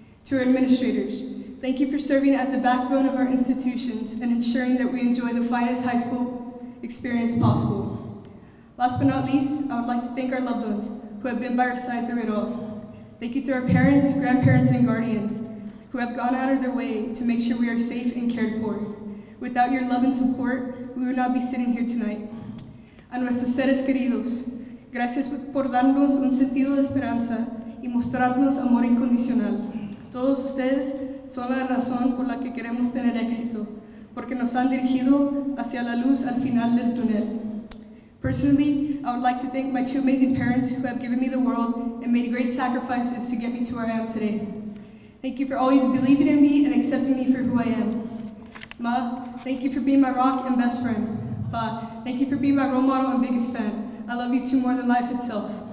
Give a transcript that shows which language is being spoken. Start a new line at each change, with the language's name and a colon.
English: To our administrators, thank you for serving as the backbone of our institutions and ensuring that we enjoy the finest high school experience possible. Last but not least, I would like to thank our loved ones who have been by our side through it all. Thank you to our parents, grandparents, and guardians who have gone out of their way to make sure we are safe and cared for. Without your love and support, we would not be sitting here tonight.
Spanish: A nuestros seres queridos, gracias por darnos un sentido de esperanza y mostrarnos amor incondicional. Todos ustedes son la razón por la que queremos tener éxito, porque nos han dirigido hacia la luz al final del túnel.
English: Personally, I would like to thank my two amazing parents who have given me the world and made great sacrifices to get me to where I am today. Thank you for always believing in me and accepting me for who I am. Ma, thank you for being my rock and best friend. Pa, thank you for being my role model and biggest fan. I love you two more than life itself.